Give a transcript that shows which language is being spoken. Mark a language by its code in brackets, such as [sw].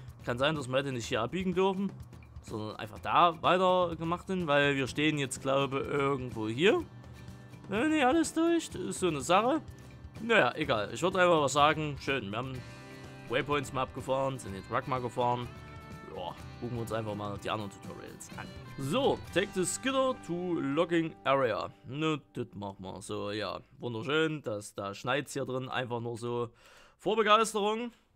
[de] Kann sein, dass wir heute nicht hier abbiegen dürfen, sondern einfach da weiter gemacht sind, weil wir stehen jetzt, glaube ich, irgendwo hier. Nee, alles durch, das ist so eine Sache. Naja, egal, ich würde einfach was sagen, schön, wir haben Waypoints mal abgefahren, sind die Truck mal gefahren. Ja, gucken wir uns einfach mal die anderen Tutorials an. [en] So, take the skidder to logging area. [de] Ne, das machen wir. So, ja, wunderschön, dass da schneit's hier drin. Einfach nur so vor Begeisterung.